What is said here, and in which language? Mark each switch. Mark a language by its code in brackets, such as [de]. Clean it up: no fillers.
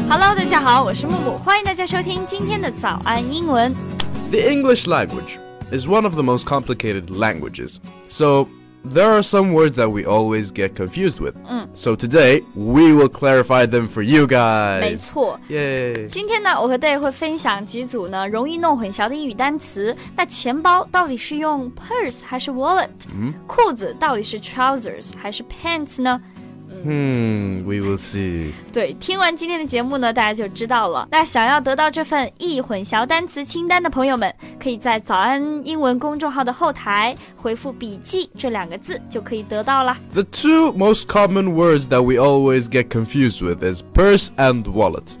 [en] Hello, [zh] 大家好，我是木木，欢迎大家收听今天的早安英文。 [en] The English language is one of the most complicated languages, so there are some words that we always get confused with. So today we will clarify them for you guys. [zh] 没错。 Yay. 今天呢，我和 Dave 会分享几组呢容易弄混淆的英语单词。那钱包到底是用 purse 还是 wallet？ 裤子到底是 trousers 还是 pants 呢？ [en] We will see. [zh] 对，听完今天的节目呢，大家就知道了。那想要得到这份易混淆单词清单的朋友们，可以在早安英文公众号的后台回复笔记这两个字就可以得到了。 [en] The two most common words that we always get confused with is purse and wallet.